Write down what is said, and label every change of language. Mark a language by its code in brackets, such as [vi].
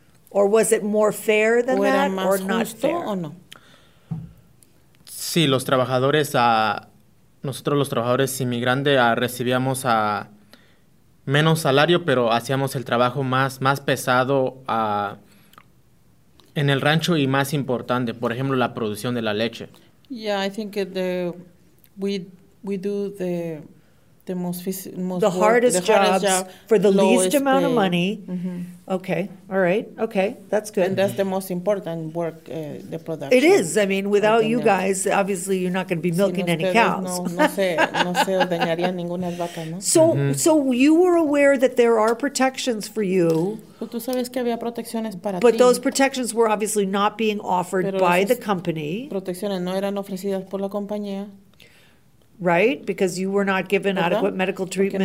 [en] Or was it more fair than that or not fair? [es] Sí, los trabajadores, nosotros los trabajadores inmigrantes recibíamos a... menos salario, pero hacíamos el trabajo más pesado en el rancho y más importante, por ejemplo, la producción de la leche. [en] Yeah, I think we do the most the hardest jobs for the least amount of money. Mm-hmm. Okay, all right. Okay, that's good. And that's the most important work, the production. It is. I mean, without you guys, obviously you're not going to be milking any cows. [es] No se ordeñaría ninguna vaca, ¿no? [en] So, mm-hmm. So you were aware that there are protections for you. [es] Pero tú sabes que había protecciones para ti. [en] But those protections were obviously not being offered by the company. [es] Protecciones no eran ofrecidas por la compañía. [en] Right, because you were not given [es] ¿verdad? [en] Adequate medical treatment.